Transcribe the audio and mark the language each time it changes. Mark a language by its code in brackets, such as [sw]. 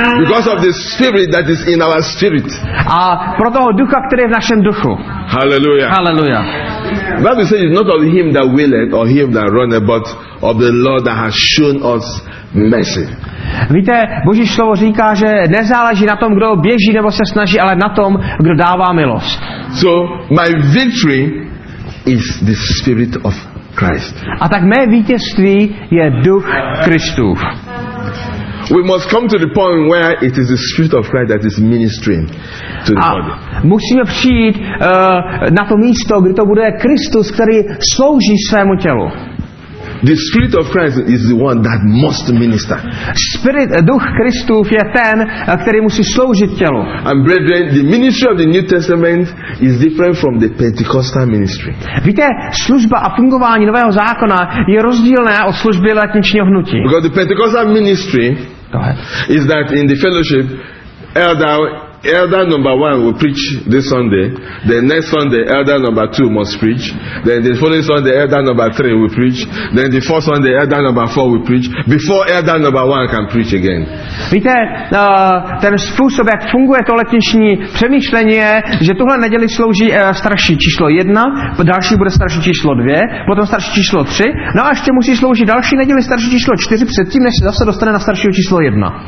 [en] Because of the spirit that is in our spirit. [cs] A pro toho ducha, který je v našem duchu. [en] Hallelujah. [cs] Hallelujah. [en] Bible says it's not of him that willeth or him that runneth, but of the Lord that has shown us mercy. [cs] Víte, Boží slovo říká, že nezáleží na tom, kdo běží nebo se snaží, ale na tom, kdo dává milost. [en] So my victory is the spirit of Christ. [cs] A tak mé vítězství je duch Kristův. [en] We must come to the point where it is the spirit of Christ that is ministering to the body. [cs] Musíme přijít na to místo, kde to bude Kristus, který slouží svému tělu. [en] The spirit of Christ is the one that must minister. [cs] Spirit, duch Kristův je ten, který musí sloužit tělu. [en] And brethren, the ministry of the New Testament is different from the Pentecostal ministry. [cs] Víte, služba a fungování Nového zákona je rozdílné od služby letničního hnutí. [en] Because the Pentecostal ministry is that in the fellowship, Elder number one will preach this Sunday. The next Sunday, elder number two must preach. Then the following Sunday, elder number three will preach. Then the fourth Sunday, elder number four will preach. Before elder number one can preach again. [cs] Víte, ten způsob, jak funguje to letniční přemýšlení, je, že tuhle neděli slouží starší číslo jedna, další bude starší číslo dvě, potom starší číslo tři, no a ještě musí sloužit další neděli starší číslo čtyři předtím, než se zase dostane na starší číslo jedna.